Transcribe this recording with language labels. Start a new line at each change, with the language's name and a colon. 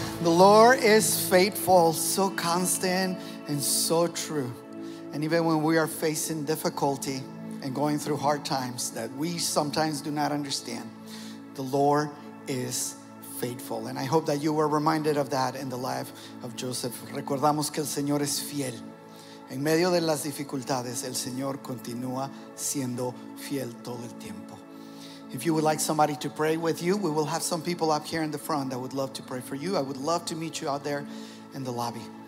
English: The Lord is faithful, so constant and so true. And even when we are facing difficulty and going through hard times that we sometimes do not understand, the Lord is faithful. And I hope that you were reminded of that in the life of Joseph.
Spanish: Recordamos que el Señor es fiel. En medio de las dificultades, el Señor continúa siendo fiel todo el tiempo.
English: If you would like somebody to pray with you, we will have some people up here in the front that would love to pray for you. I would love to meet you out there in the lobby.